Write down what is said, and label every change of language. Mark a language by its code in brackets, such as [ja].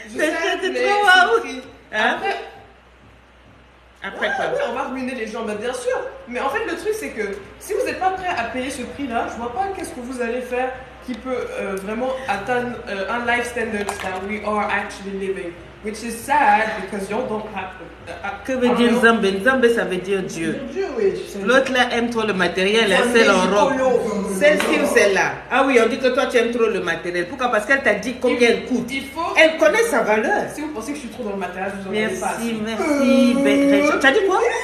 [fr] C'est trop waouh. Hein? Après ouais, quoi? Oui, on va ruiner les gens, ben, bien sûr. Mais en fait, le truc, c'est que si vous n'êtes pas prêt à payer ce prix-là, je vois pas qu'est-ce que vous allez faire qui peut vraiment atteindre un [en] life standard that we are actually living. Which is sad because y'all don't have. [fr] Que veut dire Zambé? Zambé, ça veut dire Dieu. L'autre là aime trop le matériel, hein, celle en robe. Celle-ci ou celle-là? Ah oui, on dit que toi tu aimes trop le matériel. Pourquoi? Parce qu'elle t'a dit combien elle coûte. Elle connaît sa valeur. Si vous pensez que je suis trop dans le matériel, je vous en prie. Merci, merci. T'as dit quoi?